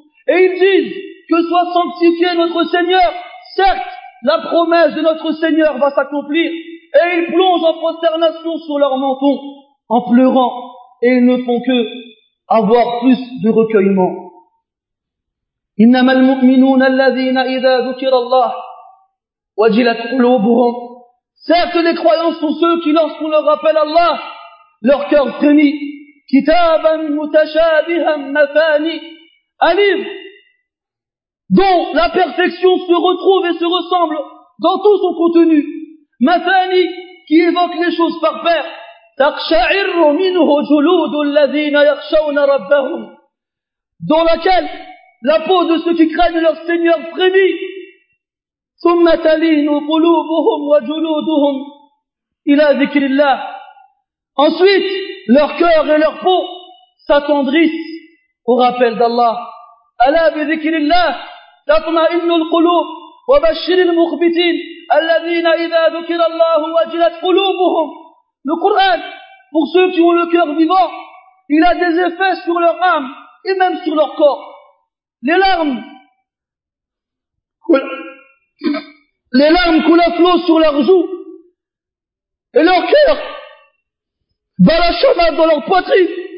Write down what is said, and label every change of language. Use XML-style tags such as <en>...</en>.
<fr>Et ils disent que soit sanctifié notre Seigneur, certes, la promesse de notre Seigneur va s'accomplir. Et ils plongent en prosternation sur leur menton, en pleurant. Et ils ne font que avoir plus de recueillement.</fr> <ar>إنما المؤمنون الذين إذا ذكر الله وجلت قلوبهم.</ar> <fr>Certes, les croyants sont ceux qui, lorsqu'on leur rappelle Allah, leur cœur frémit.</fr> <ar>Kitaban mutashabihan mathani.</ar> <fr>Un livre dont la perfection se retrouve et se ressemble dans tout son contenu. Mathani, qui évoque les choses par paire.</fr> <ar>Taqsha'irru minhu juludul ladhina yakhshawna rabbahum.</ar> <fr>Dans laquelle la peau de ceux qui craignent leur Seigneur frémit.</fr> <ar>ثم تلين قلوبهم وجلودهم الى ذكر الله.</ar> <fr>Ensuite, leur cœur et leur peau s'attendrissent au rappel d'Allah.</fr> <ar>الا بذكر الله تطمئن القلوب وبشر المخبتين الذين اذا ذكر الله وجلت قلوبهم.</ar> <fr>Le Coran, pour ceux qui ont le cœur vivant, il a des effets sur leur âme et même sur leur corps. Les larmes. Les larmes coulent à flot sur leurs joues et leur cœur bat la chamade dans leur poitrine.</fr>